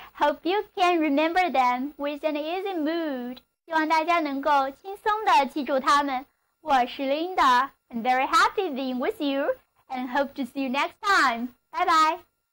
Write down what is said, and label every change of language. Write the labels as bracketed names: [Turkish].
[English] Hope you can remember them with an easy mood. [Chinese] 希望大家能够轻松地记住它们。我是 [English] Linda, I'm very happy being with you, and hope to see you next time. Bye bye!